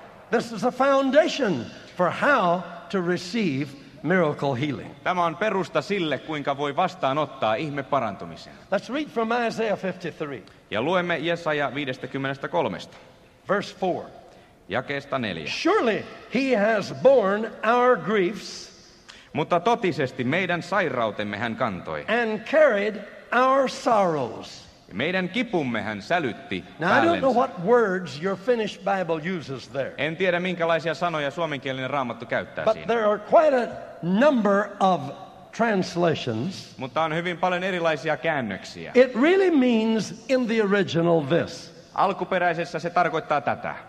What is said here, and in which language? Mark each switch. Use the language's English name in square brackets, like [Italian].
[English] This is a foundation for how to receive miracle healing. [Finnish] Tämä on perusta sille, kuinka voi vastaanottaa ihme parantumisen. [English] Let's read from Isaiah 53. [Finnish] Ja luemme Jesaja 53. [English] Verse 4. [Finnish] Jakeesta 4. [English] Surely he has borne our griefs. [Finnish] Mutta totisesti meidän sairautemme hän kantoi. [English] And carried our sorrows. [Finnish] Meidän kipumme hän sälytti päällensä. [English] Now, I don't know what words your Finnish Bible uses there. [Finnish] En tiedä, minkälaisia sanoja suomenkielinen Raamattu käyttää [English] but [Finnish] siinä. [English] There are quite a number of translations. [Finnish] Mutta on hyvin paljon erilaisia käännöksiä. [English] It really means in the original this. [Finnish] Alkuperäisessä se tarkoittaa tätä.